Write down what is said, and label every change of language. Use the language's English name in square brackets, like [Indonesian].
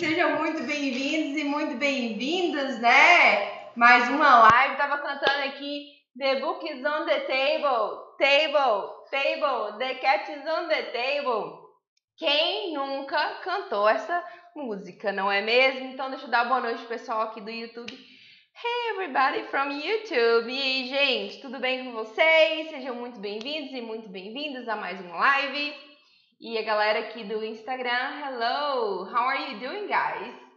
[Portuguese] Sejam muito bem-vindos e muito bem-vindas, né? Mais uma live. Tava cantando aqui. [English] The book is on the table, table, table, the cat is on the table. [Portuguese] Quem nunca cantou essa música, não é mesmo? Então deixa eu dar boa noite pro pessoal aqui do YouTube. [English] Hey everybody from YouTube! [Portuguese] E aí, gente, tudo bem com vocês? Sejam muito bem-vindos e muito bem-vindos a mais uma live. E a galera aqui do Instagram, [English] hello! How are you doing, guys?